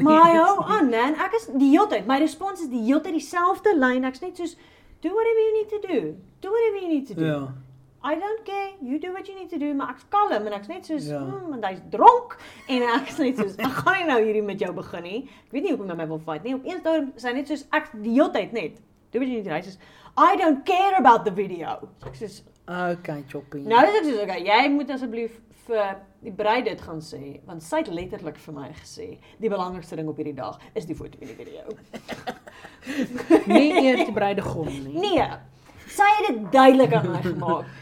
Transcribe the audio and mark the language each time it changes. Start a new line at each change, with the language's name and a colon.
Afrikaans: Maar hy hou aan, man, ek is die heel tyd, my response is die heel tyd die selfde line, ek is net soos,
English: do whatever you need to do.
Afrikaans: Do whatever you need to do.
English: Yeah. I don't care. You do what you need to do.
Afrikaans: Maar ek is kalm. En ek is net soos, want hy is dronk. En ek is net soos, ek gaan nie nou hierdie met jou begin nie. Ek weet nie hoe ek met my wil fight nie. Opeens daar is hy net soos, ek die hele tyd net.
English: Do what you need to do.
Afrikaans: Hy soos,
English: I don't care about the video.
Afrikaans: Ek soos,
English: okay, choppy.
Afrikaans: Nou is ek soos, okay, jy moet asjeblief vir die bruid dit gaan sê. Want sy het letterlik vir my gesê, die belangrikste ding op hierdie dag is die foto in die video. Nie eers die bruidegom nie. Nee. Sy het dit duidelik aan my gemaak.